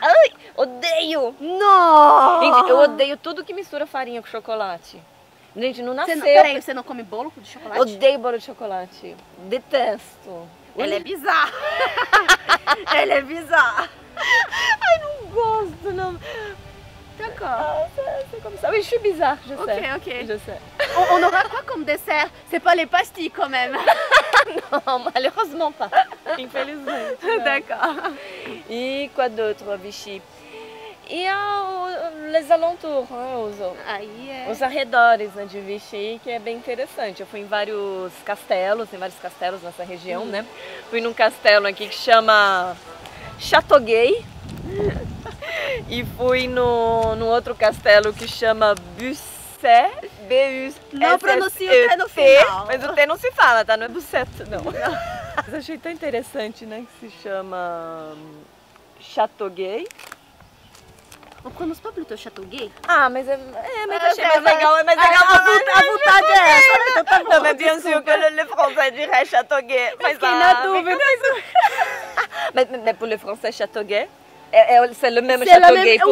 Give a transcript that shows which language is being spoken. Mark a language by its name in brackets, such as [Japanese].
[Portuguese] Ai! Odeio! Não! Gente, eu odeio tudo que mistura farinha com chocolate. Gente, não nasceu. Peraí, você não come bolo de chocolate? Odeio bolo de chocolate. Detesto. Ele é bizarro! Ele é bizarro! Ai, não gosto, não. [French] D'accord. Oui, je suis bizarre, je sais. Ok, ok. Je sais. On aura quoi comme dessert? C'est pas les pastilles quand même. Non, malheureusement pas. [Portuguese] Infelizmente. [French] D'accord. Et quoi d'autre, [Portuguese] Vichy? E [French] les alentours, hein, [Portuguese] os arredores, né, de Vichy, que é bem interessante. Eu fui em vários castelos nessa região, né? Fui num castelo aqui que chama Chateauguay. E fui no outro castelo que chama Busset. Não pronuncio o T no final. Mas o T não se fala, tá? Não é Busset, não. Mas achei tão interessante, né, que se chama Chateauguay. Não pronuncio [French] pas plutôt [Portuguese] Chateauguay? Ah, mas é mais legal. A vontade é essa, então tá bom. Não, mas [French] bien sûr que le français dirait Chateauguay. [Portuguese] Mas quem na dúvida? Mas [French] pour le français Chateauguay? C'est le même château gay pour